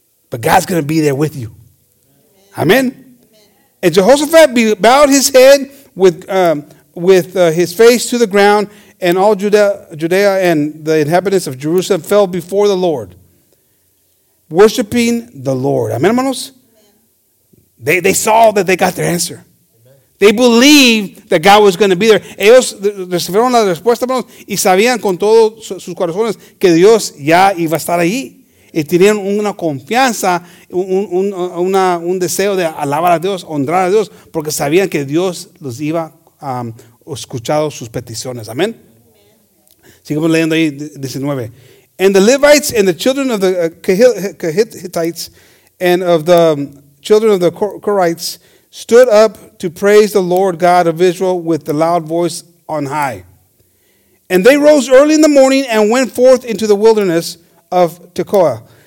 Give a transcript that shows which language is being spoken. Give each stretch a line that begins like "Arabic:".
English: But God's going to be there with you. Amen. And Jehoshaphat bowed his head with his face to the ground, and all Judea and the inhabitants of Jerusalem fell before the Lord, worshiping the Lord. Amen, hermanos? They saw that they got their answer. They believed that God was going to be there.
Spanish: Ellos recibieron la respuesta, hermanos, y sabían con todos sus corazones que Dios ya iba a estar allí. Y tenían una confianza, un deseo de alabar a Dios, honrar a Dios, porque sabían que Dios los iba a escuchar sus peticiones. Amén. Sigamos leyendo ahí 19.
English: And the Levites and the children of the Kehathites and of the children of the Korahites stood up to praise the Lord God of Israel with a loud voice on high. And they rose early in the morning and went forth into the wilderness of Tekoa.